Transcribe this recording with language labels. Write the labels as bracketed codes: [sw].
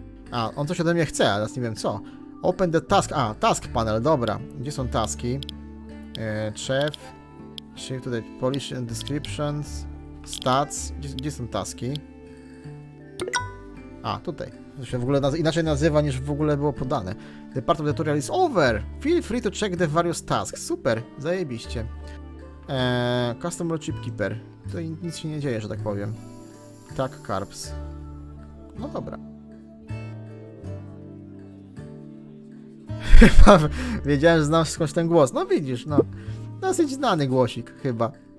[pl] A, on coś ode mnie chce, a teraz nie wiem co. [en] Open the task, [pl] a, task panel, dobra. Gdzie są taski? Chef, czyli tutaj polish and descriptions, stats, gdzie są taski? A, tutaj. To się w ogóle inaczej nazywa, niż w ogóle było podane. [en] The part of the tutorial is over! Feel free to check the various tasks. [pl] Super, zajebiście. Custom Chip Keeper. To nic się nie dzieje, że tak powiem. Tak, carbs. No dobra. Wiedziałem, że znam skądś ten głos. No widzisz, no. Dosyć znany głosik, chyba.